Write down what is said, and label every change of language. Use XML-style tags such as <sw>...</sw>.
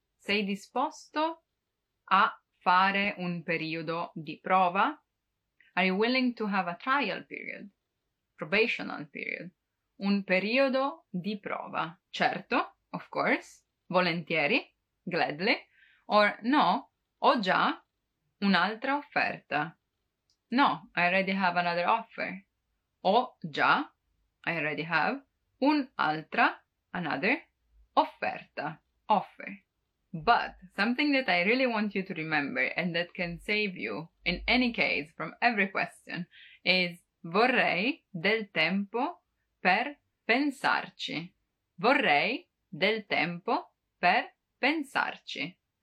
<it>Sei disposto a fare un periodo di prova?</it> <en>Are you willing to have a trial period? Probational period.</en> <it>Un periodo di prova. Certo,</it> <en>of course.</en> <it>Volentieri.</it> <en>Gladly.</en> <it>Or no, ho già un'altra offerta.</it> <en>No, I already have another offer.</en> <it>Ho già,</it> <en>I already have,</en> <it>un'altra,</it> <en>another,</en> <it>offerta.</it> <en>Offer. But something that I really want you to remember and that can save you in any case from every question is</en> <it>vorrei del tempo per pensarci. Vorrei del tempo per pensarci.</it>